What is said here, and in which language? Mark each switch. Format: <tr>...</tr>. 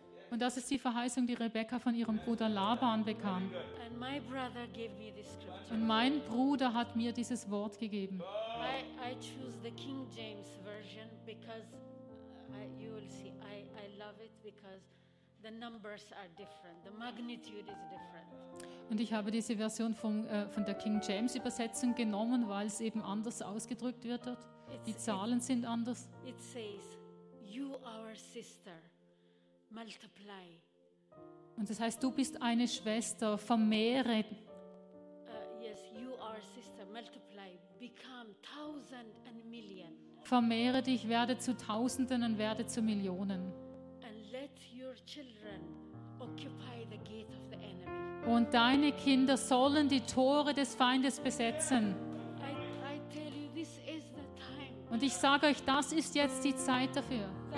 <de>Und das ist die Verheißung, die Rebecca von ihrem Bruder Laban bekam.</de> <en>And my brother gave me this scripture.</en> <de>Und mein Bruder hat mir dieses Wort gegeben.</de> <en>I choose the King James version because you will see, I love it because the numbers are different, the magnitude is different.</en> <de>Und ich habe diese Version von der King James Übersetzung genommen, weil es eben anders ausgedrückt wird dort. Die Zahlen sind anders.</de> <en>It says, you, our sister, multiply.</en> <de>Und das heißt, du bist eine Schwester, vermehre.</de> <en>Yes, you, our sister, multiply, become thousand and million.</en> <de>Vermehre dich, werde zu Tausenden und werde zu Millionen.</de> <en>And let your children occupy the gate of the enemy.</en> <de>Und deine Kinder sollen die Tore des Feindes besetzen.</de> <en>I tell you, this is the time.</en> <de>Und ich sage euch, das ist jetzt die Zeit dafür.</de>